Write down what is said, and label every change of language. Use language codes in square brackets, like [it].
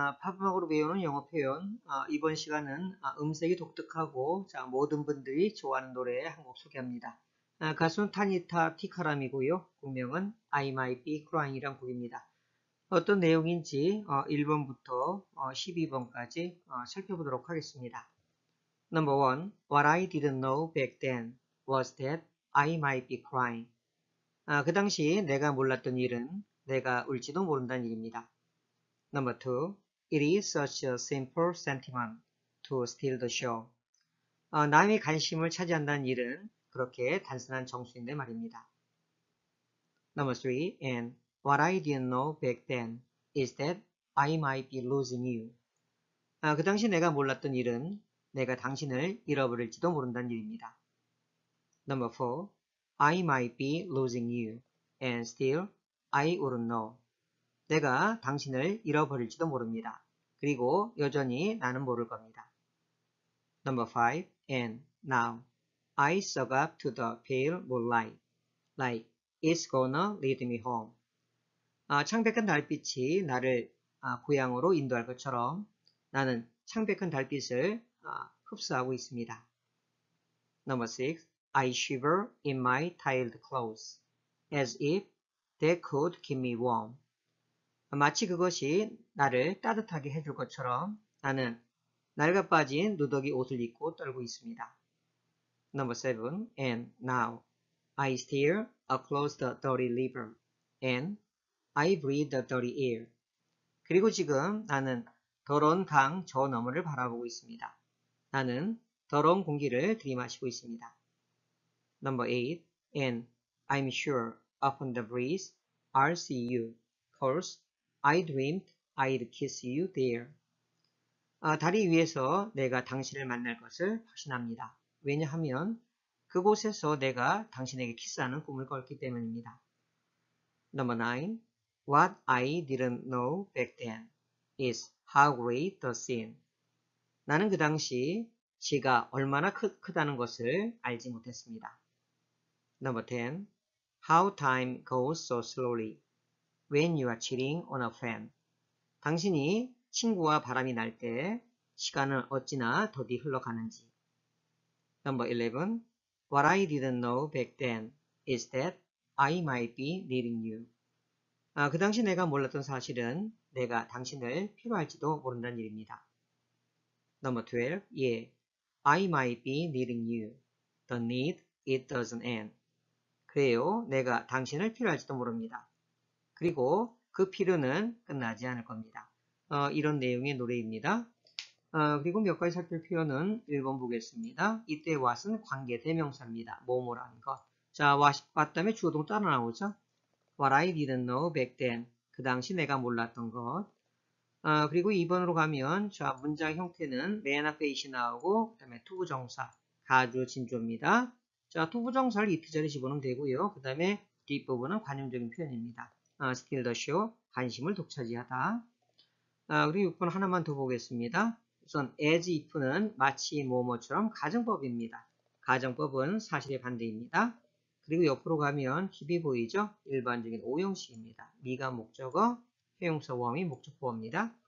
[ko] 팝음악으로 배우는 영어 표현. 이번 시간은 음색이 독특하고 모든 분들이 좋아하는 노래 한곡 소개합니다. 가수는 타니타 티카람이고요. 곡명은 I Might Be Crying이란 곡입니다. 어떤 내용인지 1번부터 12번까지 살펴보도록 하겠습니다. [en] Number 1. What I didn't know back then was that I might be crying. [ko] 그 당시 내가 몰랐던 일은 내가 울지도 모른다는 일입니다. [en] Number 2. It is such a simple sentiment to steal the show. [ko] 남의 관심을 차지한다는 일은 그렇게 단순한 정수인데 말입니다. [en] Number 3. And what I didn't know back then is that I might be losing you. [ko] 그 당시 내가 몰랐던 일은 내가 당신을 잃어버릴지도 모른다는 일입니다. [en] Number 4. I might be losing you and still I wouldn't know. [ko] 내가 당신을 잃어버릴지도 모릅니다. 그리고 여전히 나는 모를 겁니다. [en] Number 5. And now I suck up to the pale moonlight. Like it's gonna lead me home. [ko] 창백한 달빛이 나를 고향으로 인도할 것처럼 나는 창백한 달빛을 흡수하고 있습니다. [en] Number 6. I shiver in my tiled clothes as if That could keep me warm. [ko] 마치 그것이 나를 따뜻하게 해줄 것처럼 나는 날과 빠진 누더기 옷을 입고 떨고 있습니다. [en] Number 7. And now I stare across the dirty river and I breathe the dirty air. [ko] 그리고 지금 나는 더러운 강저 너머를 바라보고 있습니다. 나는 더러운 공기를 들이마시고 있습니다. [en] Number 8. And I'm sure upon the breeze I'll see you, 'cause I dreamed I'd kiss you there. [ko] 다리 위에서 내가 당신을 만날 것을 확신합니다. 왜냐하면 그곳에서 내가 당신에게 키스하는 꿈을 꿨기 때문입니다. [en] Number 9. What I didn't know back then is how great the sin. [ko] 나는 그 당시 지가 얼마나 크다는 것을 알지 못했습니다. [en] Number 10. How time goes so slowly. When you are cheating on a friend. [ko] 당신이 친구와 바람이 날때 시간은 어찌나 더디 흘러가는지. [en] Number 11. What I didn't know back then is that I might be needing you. [ko] 그 당시 내가 몰랐던 사실은 내가 당신을 필요할지도 모른다는 일입니다. [en] Number 12. Yeah, I might be needing you. The need, it doesn't end. [ko] 그래요, 내가 당신을 필요할지도 모릅니다. 그리고 그 필요는 끝나지 않을 겁니다. 이런 내용의 노래입니다. 그리고 몇 가지 살펴볼 표현은 1번 보겠습니다. 이때 what은 관계 대명사입니다. 뭐뭐라는 것. 자, what 다음에 주어동 따라 나오죠? [en] What I didn't know back then. [ko] 그 당시 내가 몰랐던 것. 그리고 2번으로 가면 자, 문장 형태는 맨 앞에 is 나오고 그다음에 to 부정사. 가주 진주입니다. 자, to 부정사를 이 자리에 집어넣으면 되고요. 그다음에 뒷부분은 관용적인 표현입니다. [en] Steal the show, [ko] 관심을 독차지하다. 그리고 6번 하나만 더 보겠습니다. 우선 as if는 마치 뭐뭐처럼 가정법입니다. 가정법은 사실의 반대입니다. 그리고 옆으로 가면 집이 보이죠? 일반적인 오형식입니다. 미가 목적어, 형용사 warm이 목적보어입니다.